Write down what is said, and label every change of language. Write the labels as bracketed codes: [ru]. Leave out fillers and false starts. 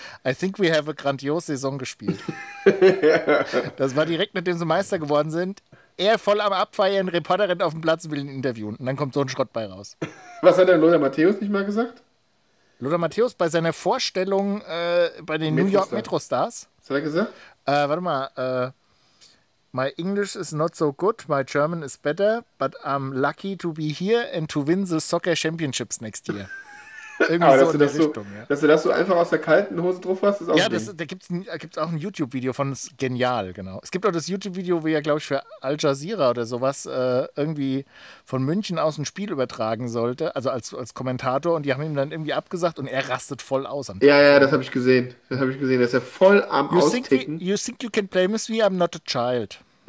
[de] I think we have a grandiose Saison gespielt. Das war direkt, nachdem sie Meister geworden sind. Er voll am Abfeiern, Reporterin auf dem Platz will ein Interview. Und dann kommt so ein Schrott bei raus. Was hat denn Lothar Matthäus nicht mal gesagt? Lothar Matthäus bei seiner Vorstellung bei den New York Metro Stars. Was hat er gesagt? Warte mal. [en] My English is not so good, my German is better, but I'm lucky to be here and to win the soccer championships next year. [de] Irgendwie so in der Richtung, so, ja. Dass du das so einfach aus der kalten Hose drauf hast, ist auch ein Ding. Ja, da gibt es auch ein YouTube-Video von, ist genial, genau. Es gibt auch das YouTube-Video, wo ja, glaube ich, für Al Jazeera oder sowas irgendwie von München aus ein Spiel übertragen sollte, also als Kommentator, und die haben ihm dann irgendwie abgesagt und er rastet voll aus. Am Tag. Ja, das habe ich gesehen. Das habe ich gesehen, dass er voll am Austicken. [en] You think you can play me, I'm not a child.